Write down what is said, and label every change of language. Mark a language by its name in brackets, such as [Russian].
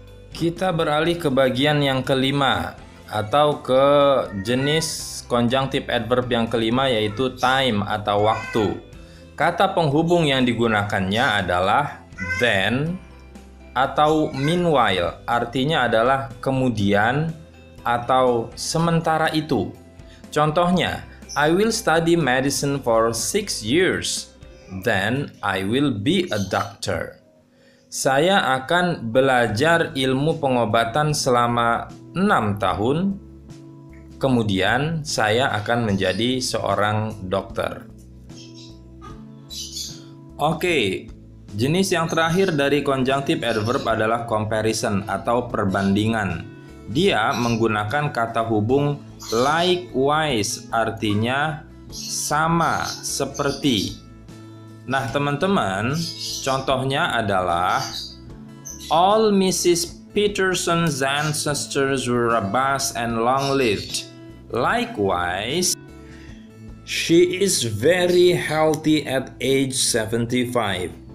[Indonesian] Kita beralih ke bagian yang kelima, atau ke jenis conjunctive adverb yang kelima, yaitu time atau waktu. Kata penghubung yang digunakannya adalah then atau meanwhile, artinya adalah kemudian atau sementara itu. [English] Contohnya, I will study medicine for 6 years, then I will be a doctor. [Indonesian] Saya akan belajar ilmu pengobatan selama 6 tahun, kemudian saya akan menjadi seorang dokter. Oke, jenis yang terakhir dari conjunctive adverb adalah comparison atau perbandingan. Dia menggunakan kata hubung likewise, artinya sama, seperti. Nah, teman-teman, contohnya adalah all Mrs. [English] Peterson's ancestors were robust and long-lived. Likewise, she is very healthy at age 75.